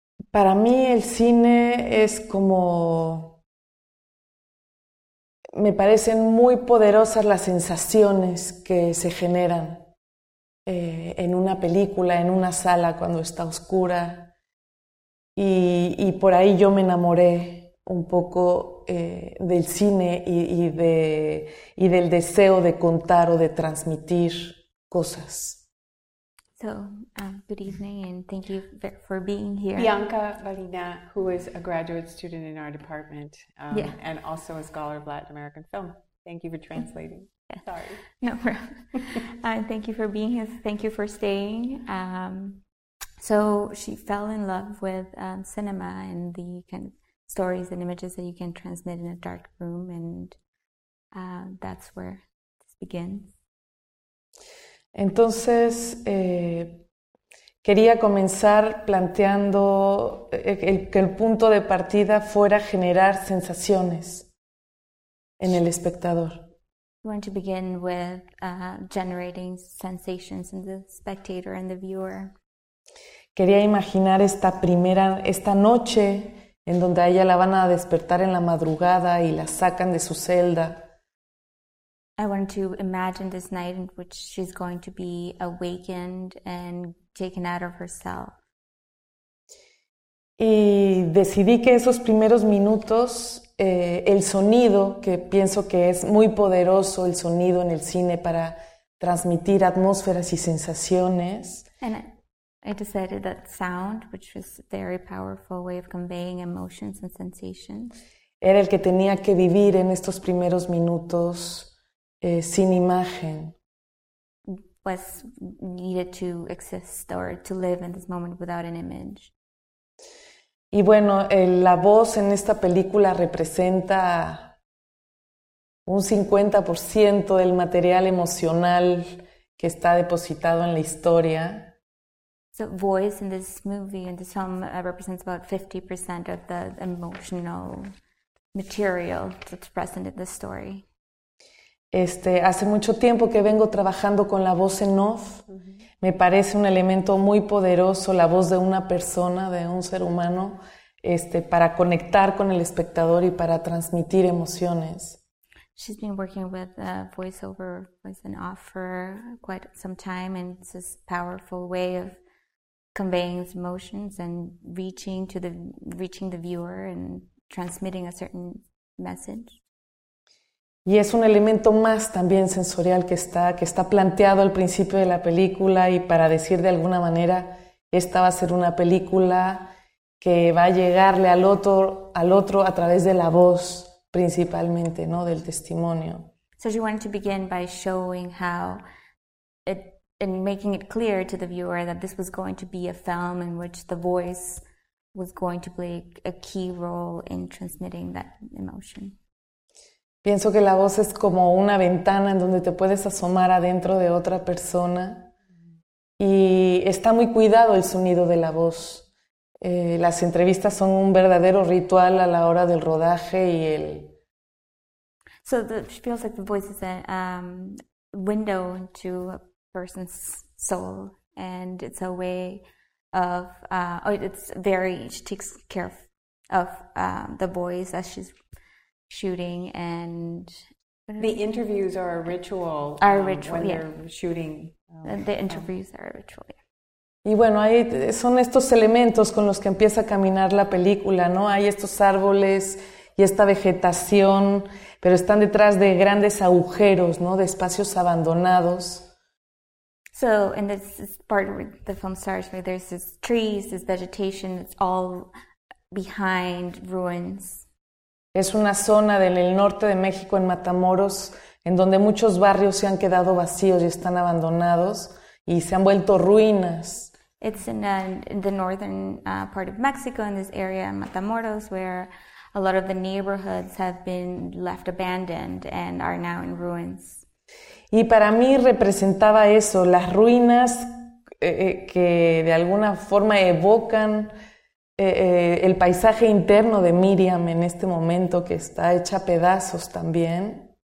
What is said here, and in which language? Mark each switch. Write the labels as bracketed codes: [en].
[es] Para mí el cine es como, me parecen muy poderosas las sensaciones que se generan en una película, en una sala cuando está oscura. Y por ahí yo me enamoré un poco del cine y del deseo de contar o de transmitir cosas. [en] Good evening and thank you for being here. Bianca Valina, who is a graduate student in our department and also a scholar of Latin American film. Thank you for translating. Sorry. No problem. Thank you for being here. Thank you for staying. So she fell in love with cinema and the kind of stories and images that you can transmit in a dark room, and that's where this begins. [es] Entonces, quería comenzar planteando que el punto de partida fuera generar sensaciones en el espectador. [en] I want to begin with generating sensations in the spectator and the viewer. [es] Quería imaginar esta noche en donde a ella la van a despertar en la madrugada y la sacan de su celda. [en] I want to imagine this night in which she's going to be awakened and taken out of herself. [es] Y decidí que esos primeros minutos, el sonido, que pienso que es muy poderoso el sonido en el cine para transmitir atmósferas y sensaciones. [en] And I decided that sound, which was a very powerful way of conveying emotions and sensations. [es] Era el que tenía que vivir en estos primeros minutos, sin imagen. [en] Was needed to exist or to live in this moment without an image. [es] Y bueno, la voz en esta película representa un 50% del material emocional que está depositado en la historia. [en] So voice in this movie and the film represents about 50% of the emotional material that's present in the story. [es] Hace mucho tiempo que vengo trabajando con la voz en off. Me parece un elemento muy poderoso la voz de una persona, de un ser humano, para conectar con el espectador y para transmitir emociones. [en] She's been working with voiceover voice and off for quite some time, and it's this powerful way of conveying emotions and reaching the viewer and transmitting a certain message. [es] Y es un elemento más también sensorial que está planteado al principio de la película y para decir de alguna manera, esta va a ser una película que va a llegarle al otro a través de la voz principalmente, ¿no? Del testimonio. [en] So she wanted to begin by showing how it and making it clear to the viewer that this was going to be a film in which the voice was going to play a key role in transmitting that emotion. [es] Pienso que la voz es como una ventana en donde te puedes asomar adentro de otra persona y está muy cuidado el sonido de la voz. Las entrevistas son un verdadero ritual a la hora del rodaje y el... [en] So she feels like the voice is a window into a person's soul, and it's a way of, it's very, she takes care of the voice as she's shooting, and The interviews are a ritual. Are a ritual, when yeah. they're shooting. The interviews are a ritual, yeah. [es] Y bueno, ahí son estos elementos con los que empieza a caminar la película, ¿no? Hay estos árboles y esta vegetación, pero están detrás de grandes agujeros, ¿no? De espacios abandonados. [en] So, and this is part where the film starts, where there's these trees, this vegetation, it's all behind ruins. [es] Es una zona del norte de México, en Matamoros, en donde muchos barrios se han quedado vacíos y están abandonados y se han vuelto ruinas. [en] It's in the northern part of Mexico, in this area, in Matamoros, where a lot of the neighborhoods have been left abandoned and are now in ruins. [es] Y para mí representaba eso, las ruinas que de alguna forma evocan el paisaje interno de Miriam en este momento, que está hecha pedazos también.